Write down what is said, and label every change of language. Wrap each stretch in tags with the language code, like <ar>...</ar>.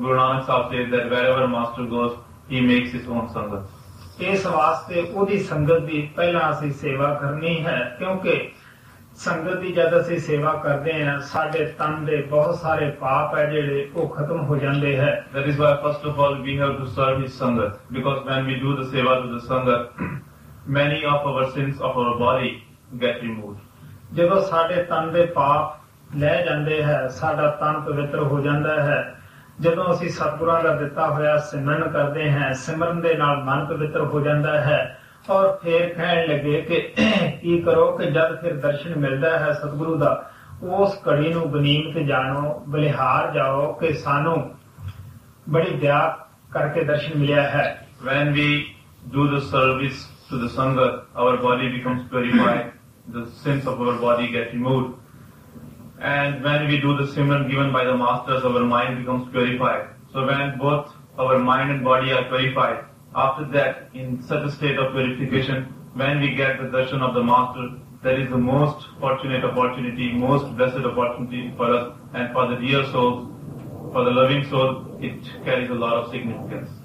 <en>Guru Nanak Sahib says that wherever Master goes, he makes his own Sangat.</en> <pa>Is vaste odi Sangat di pehla assi seva karni hai. Kyunki ਸੰਗਤ ਦੀ ਜਦ ਅਸੀਂ ਸੇਵਾ ਕਰਦੇ ਹਾਂ ਸਾਡੇ ਤਨ ਦੇ ਬਹੁਤ ਸਾਰੇ ਪਾਪ ਹੈ ਜਿਹੜੇ ਉਹ ਖਤਮ ਹੋ ਜਾਂਦੇ ਹੈ</pa> <en>That is why first of all we have to serve his sangat because when we do the seva to the sangat many of our sins of our body get removed</en> <pa>ਜਦੋਂ ਸਾਡੇ ਤਨ ਦੇ ਪਾਪ ਲੈ ਜਾਂਦੇ ਹੈ ਸਾਡਾ ਤਨ ਪਵਿੱਤਰ ਹੋ ਜਾਂਦਾ ਹੈ ਜਦੋਂ ਅਸੀਂ ਸਤਿਗੁਰਾਂ ਦਾ ਦਿੱਤਾ ਹੋਇਆ ਸਿਮਰਨ ਕਰਦੇ ਹਾਂ ਸਿਮਰਨ ਦੇ ਨਾਲ ਮਨ ਪਵਿੱਤਰ ਹੋ ਜਾਂਦਾ ਹੈ ਔਰ ਫੇਰ ਕਹਿਣ ਲੱਗੇ ਕਿ ਕੀ ਕਰੋ ਕਿ ਜਦ ਫਿਰ ਦਰਸ਼ਨ ਮਿਲਦਾ ਹੈ ਸਤਿਗੁਰੂ ਦਾ ਉਸ ਘੜੀ ਨੂੰ ਗਨੀਮਤ ਜਾਣੋ ਬਲਿਹਾਰ ਜਾਓ ਕਿ ਸਾਨੂੰ ਬੜੀ ਦਇਆ ਕਰਕੇ ਦਰਸ਼ਨ ਮਿਲਿਆ ਹੈ</pa> <en>When we do the service to the Sangha, our body becomes purified, the sins of our body get removed. And when we do the simran given by the masters, our mind becomes purified. So when both our mind and body are purified, After that, in such a state of purification, when we get the darshan of the Master, that is the most fortunate opportunity, most blessed opportunity for us and for the dear soul, for the loving soul, it carries a lot of significance.</en>